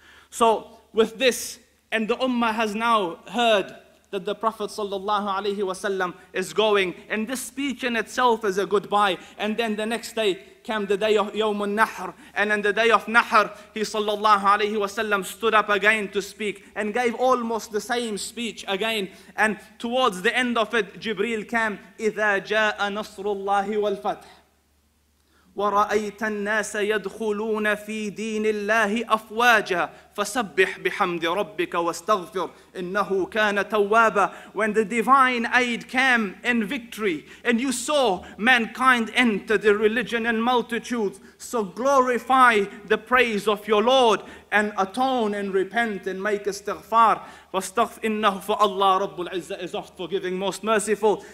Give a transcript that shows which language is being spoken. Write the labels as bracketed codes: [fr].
[en] So with this, and the Ummah has now heard that the Prophet sallallahu alaihi wasallam is going, and this speech in itself is a goodbye. And then the next day came the day of Yawm al-Nahr, and in the day of Nahr, he sallallahu alaihi wasallam stood up again to speak and gave almost the same speech again. And towards the end of it, Jibreel came, [ar] إِذَا جَاءَ نَصْرُ اللَّهِ وَالْفَتْحِ وَرَأَيْتَ النَّاسَ يَدْخُلُونَ فِي دِينِ اللَّهِ أَفْوَاجًا فَسَبِّحْ بِحَمْدِ رَبِّكَ وَاسْتَغْفِرْ إِنَّهُ كَانَ تَوَّابًا. [en] When the divine aid came in victory and you saw mankind enter the religion in multitudes, so glorify the praise of your Lord and atone and repent and make istighfar. [ar] فَاسْتَغْفِرْ إِنَّهُ فَاللَّهُ رَبُّ الْعِزَّةِ [en] is oft forgiving, most merciful.